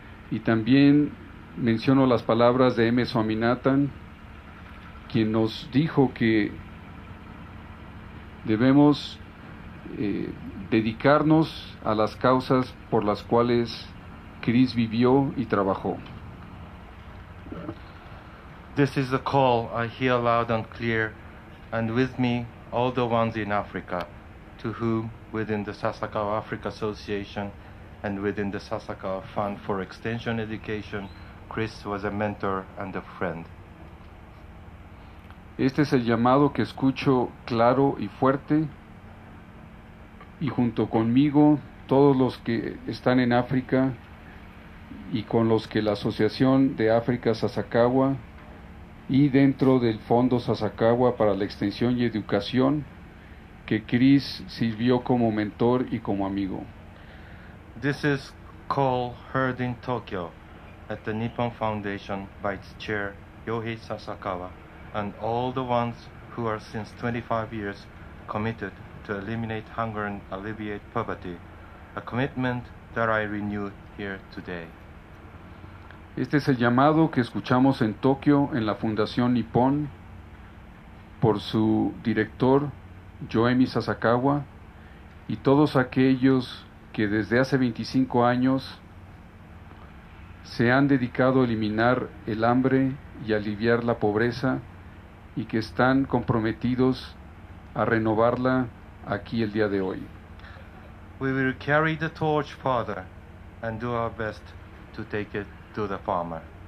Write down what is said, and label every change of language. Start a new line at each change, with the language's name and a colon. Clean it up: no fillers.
Spanish: Y también menciono las palabras de M. Swaminathan, quien nos dijo que debemos dedicarnos a las causas por las cuales Chris vivió y trabajó.
English: This is the call I hear loud and clear, and with me all the ones in Africa, to whom within the Sasakawa Africa Association and within the Sasakawa Fund for Extension Education, Chris was a mentor and a friend.
Spanish: Este es el llamado que escucho claro y fuerte, y junto conmigo todos los que están en África y con los que la Asociación de África Sasakawa y dentro del Fondo Sasakawa para la Extensión y Educación, que Chris sirvió como mentor y como amigo.
English: This is call heard in Tokyo at the Nippon Foundation by its chair, Yohei Sasakawa, and all the ones who are since 25 years committed to eliminate hunger and alleviate poverty, a commitment that I renew here today.
Spanish: Este es el llamado que escuchamos en Tokio, en la Fundación Nippon, por su director, Yohei Sasakawa, y todos aquellos que desde hace 25 años se han dedicado a eliminar el hambre y aliviar la pobreza, y que están comprometidos a renovarla aquí el día de hoy.
English: We will carry the torch further and do our best to take it to the farmer.